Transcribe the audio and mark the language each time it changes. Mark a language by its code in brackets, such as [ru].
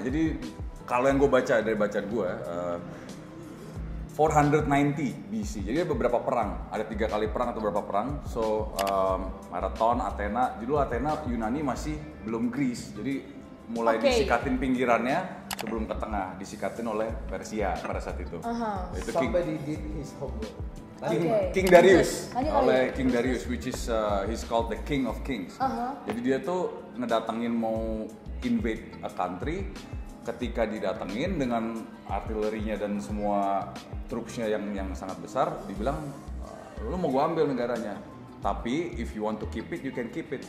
[id] Jadi kalau yang gue baca dari bacaan gue 490 BC, jadi beberapa perang, ada 3 kali perang atau berapa perang. So, Marathon, Athena, dulu Athena Yunani masih belum Greece. Jadi mulai disikatin pinggirannya sebelum ke tengah, disikatin oleh Persia pada saat itu. Uh-huh. [en] Itu King, somebody did his homework. King Darius, oleh King Darius, which is he's called the King of Kings. Uh-huh. [id] Jadi dia tuh ngedatengin mau invade a country. Ketika didatengin dengan artillerinya dan semua troops-nya yang sangat besar, dibilang lu mau gua ambil negaranya. [en] Tapi if you want to keep it, you can keep it.